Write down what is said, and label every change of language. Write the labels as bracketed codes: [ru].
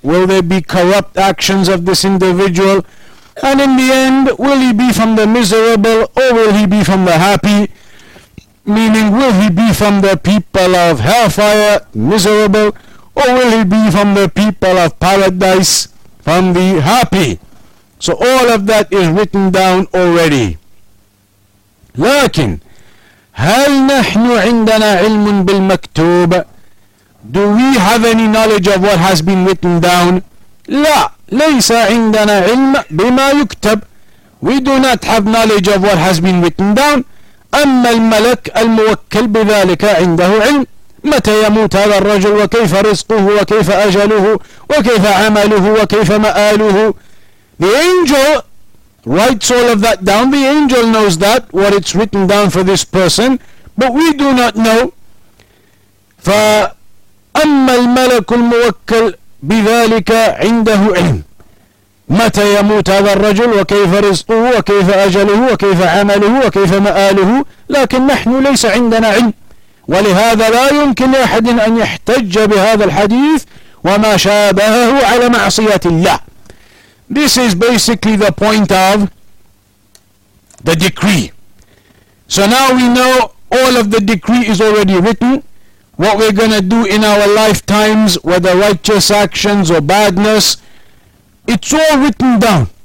[en] Will they be corrupt actions of this individual? And in the end, will he be from the miserable or will he be from the happy? Meaning, will he be from the people of hellfire, miserable, or will he be from the people of paradise, from the happy? So all of that is written down already. [ar] لكن هل نحن عندنا علم بالمكتوب? [en] Do we have any knowledge of what has been written down? [ar] لا ليس عندنا علم بما يكتب. [en] We do not have knowledge of what has been written down. [ar] أما الملك الموكل بذلك عنده علم متى يموت هذا الرجل وكيف رزقه وكيف أجله وكيف عمله وكيف مآله. [en] The angel writes all of that down. The angel knows that, what it's written down for this person, but we do not know. [ar] فأما الملك الموكل بذلك عنده علم متى يموت هذا الرجل وكيف رزقه وكيف أجله وكيف عمله وكيف مآله. لكن نحن ليس عندنا علم, ولهذا لا يمكن لأحد أن يحتج بهذا الحديث وما شابهه على معصية الله. [en] This is basically the point of the decree. So now we know all of the decree is already written. What we're going to do in our lifetimes, whether righteous actions or badness, it's all written down.